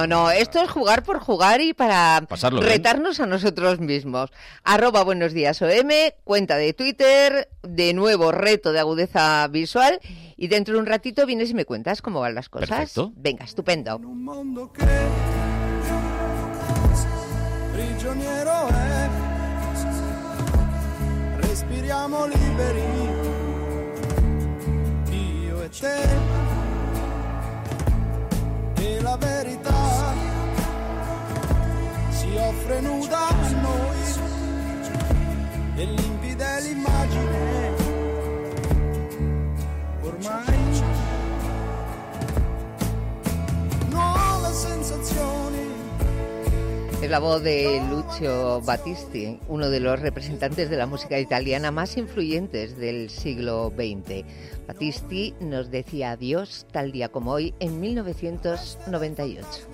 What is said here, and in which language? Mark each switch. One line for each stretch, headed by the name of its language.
Spanish: Esto es jugar por jugar y para pasarlo retarnos bien a nosotros mismos. @buenosdiasOM, cuenta de Twitter, de nuevo reto de agudeza visual. Y dentro de un ratito vienes y me cuentas cómo van las cosas. Perfecto. Venga, estupendo. En un mundo que...
Italian: Prigioniero è, respiriamo liberi, io e te, e la verità si offre nuda a noi, e limpida è l'immagine, ormai nuove sensazioni.
Spanish: Es la voz de Lucio Battisti, uno de los representantes de la música italiana más influyentes del siglo XX. Battisti nos decía adiós tal día como hoy en 1998.